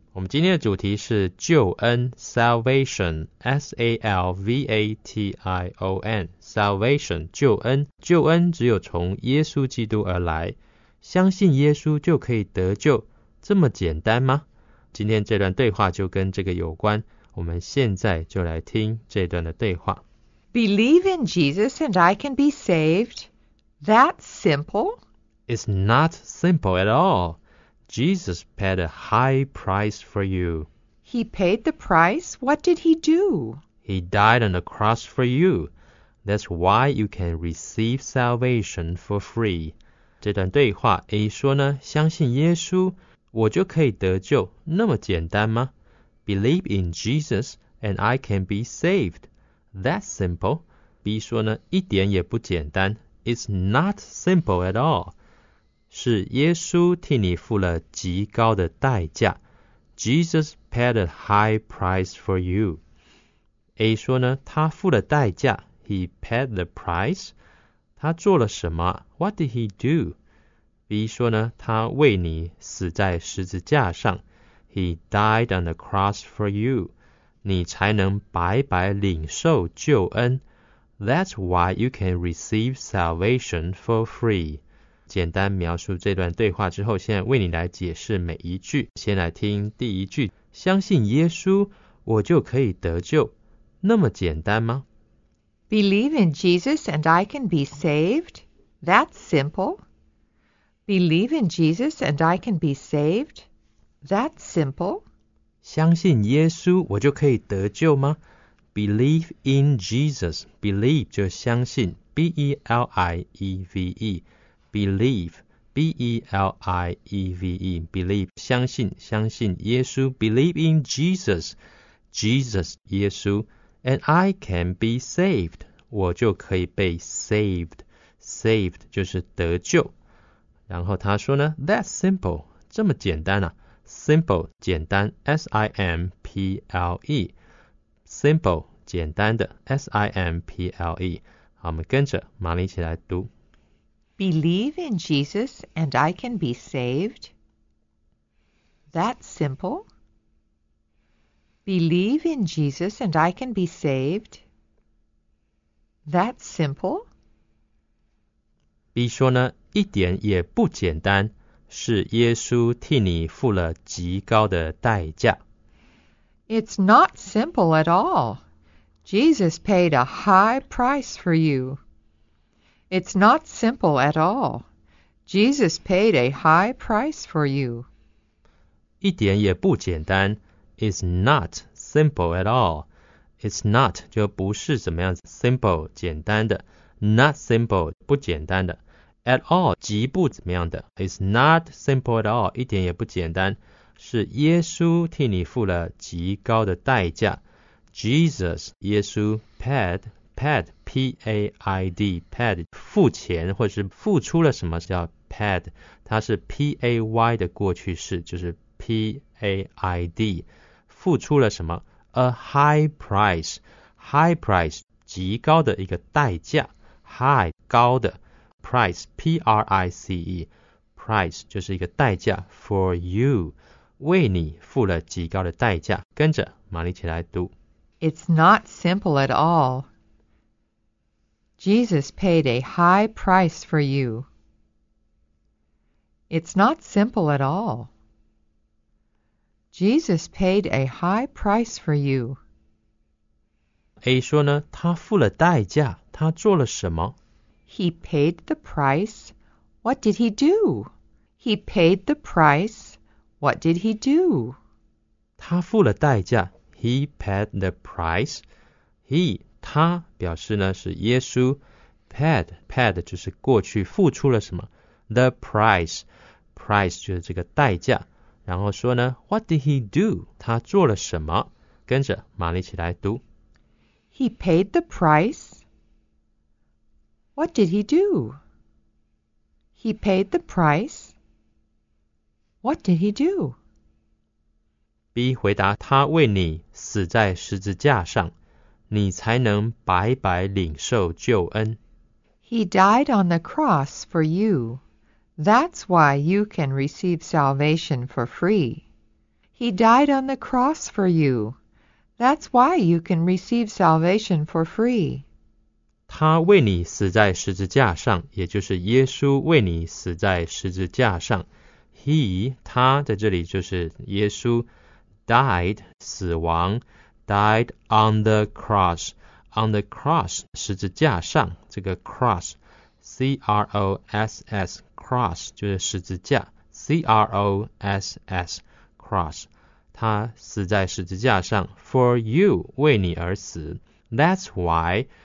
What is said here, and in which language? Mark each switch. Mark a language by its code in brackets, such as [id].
[zh] 我们今天的主题是救恩 ,salvation, S-A-L-V-A-T-I-O-N, salvation, 救恩。救恩只有从耶稣基督而来。相信耶稣就可以得救，这么简单吗？今天这段对话就跟这个有关。我们现在就来听这段的对话。 [en] Believe in Jesus and I can be saved? That's simple? It's not simple at all. Jesus paid a high price for you. He paid the price? What did he do? He died on the cross for you. That's why you can receive salvation for free. [zh] 这段对话 A 说呢，相信耶稣，我就可以得救，那么简单吗？ [en] Believe in Jesus and I can be saved. That's simple. [zh] B 说呢，一点也不简单。 [en] It's not simple at all. [zh] 是耶稣替你付了极高的代价。 [en] Jesus paid a high price for you. [zh] A 说呢，他付了代价。 [en] He paid the price. [zh] 他做了什么 ？ [en] What did he do? [zh] B 说呢，他为你死在十字架上。 [en] He died on the cross for you. [zh] 你才能白白领受救恩。 [en] That's why you can receive salvation for free. [zh] 简单描述这段对话之后，现在为你来解释每一句。先来听第一句。相信耶稣，我就可以得救。那么简单吗？ [en] Believe in Jesus and I can be saved? That's simple. Believe in Jesus and I can be saved? That's simple. [zh] 相信耶稣我就可以得救吗？ [en] Believe in Jesus. [zh] Believe 就相信。 [en] B-E-L-I-E-V-E. Believe. B-E-L-I-E-V-E. Believe. [zh] 相信，相信耶稣。 [en] Believe in Jesus. Jesus, 耶稣。 And I can be saved. [zh] 我就可以被 saved. Saved 就是得救。然后他说呢， [en] That's simple. [zh] 这么简单啊。 Simple, 简单 S-I-M-P-L-E Simple, 简单的 S-I-M-P-L-E 好，我们跟着玛丽一起来读 [en] Believe in Jesus and I can be saved That's simple Believe in Jesus and I can be saved That's simple [zh] B 说呢，一点也不简单是耶稣替你付了极高的代价。 [en] It's not simple at all. Jesus paid a high price for you. It's not simple at all. Jesus paid a high price for you. [zh] 一点也不简单。 [en] It's not simple at all. [zh] It's not 就不是怎么样 simple 简单的 ，not simple 不简单的。 At all, 极不怎么样的。 [en] It's not simple at all, [zh] 一点也不简单。是耶稣替你付了极高的代价。 Jesus, 耶稣 paid, P-A-I-D, paid, 付钱或者是付出了什么叫 paid, 它是 P-A-Y 的过去式就是 P-A-I-D, 付出了什么 ? [en] A high price, high price, [zh] 极高的一个代价。 High, 高的。Price, P-R-I-C-E, price 就是一个代价 for you, 为你付了极高的代价。跟着玛丽起来读。 [en] It's not simple at all. Jesus paid a high price for you. It's not simple at all. Jesus paid a high price for you. [zh] A 说呢，他付了代价，他做了什么？ [en] He paid the price. What did he do? He paid the price. What did he do? [zh] 他付了代价。 [en] He paid the price. [zh] He, 他表示呢是耶稣。 Paid, paid 就是过去付出了什么。The price, price 就是这个代价。然后说呢 , [en] What did he do? [zh] 他做了什么?跟着玛丽起来读。 [en] He paid the price. What did he do? He paid the price. What did he do? [zh] B 回答他为你死在十字架上,你才能白白领受救恩。 [en] He died on the cross for you. That's why you can receive salvation for free. He died on the cross for you. That's why you can receive salvation for free. [zh] 他为你死在十字架上，也就是耶稣为你死在十字架上。 He, 他在这里就是耶稣 died, 死亡 [en] died on the cross. [zh] On the cross, 十字架上，这个 cross,C-R-O-S-S, cross, 就是十字架 C-R-O-S-S, cross 他死在十字架上 For you, 为你而死 That's why,